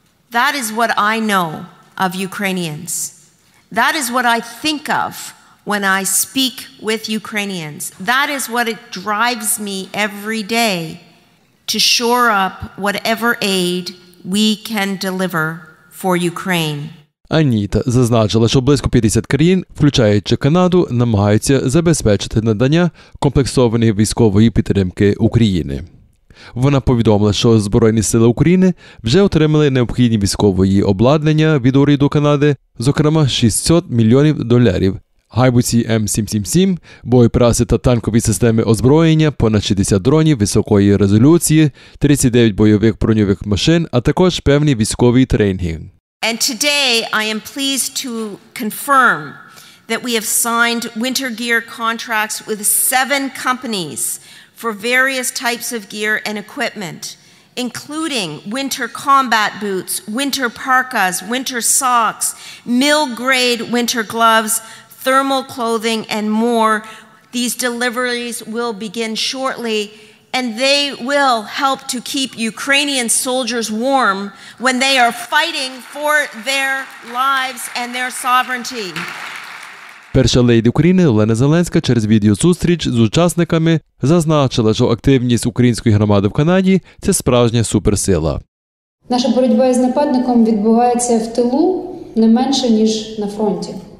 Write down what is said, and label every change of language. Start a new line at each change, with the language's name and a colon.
English: That is what I know of Ukrainians. That is what I think of when I speak with Ukrainians. That is what it drives me every day to shore up whatever aid we can deliver for Ukraine.
Ukrainian: Аніта зазначила, що близько 50 країн, включаючи Канаду, намагаються забезпечити надання комплексованої військової підтримки Україні. Вона повідомила, що Збройні сили України вже отримали необхідні військові обладнання від уряду Канади, зокрема 600 мільйонів доларів, гайбуці М777, боєприпаси та танкові системи озброєння, понад 60 дронів високої резолюції, 39 бойових бронювих машин, а також певні військові тренінги.
English: And today I am pleased to confirm that we have signed winter gear contracts with 7 companies for various types of gear and equipment, including winter combat boots, winter parkas, winter socks, mill-grade winter gloves, thermal clothing, and more. These deliveries will begin shortly. And they will help to keep Ukrainian soldiers warm when they are fighting for their lives and their sovereignty.
Ukrainian: Перша леді України Олена Зеленська через відеозустріч з учасниками зазначила, що активність української громади в Канаді – це справжня суперсила. Наша боротьба із нападником відбувається в тилу не менше, ніж на фронті.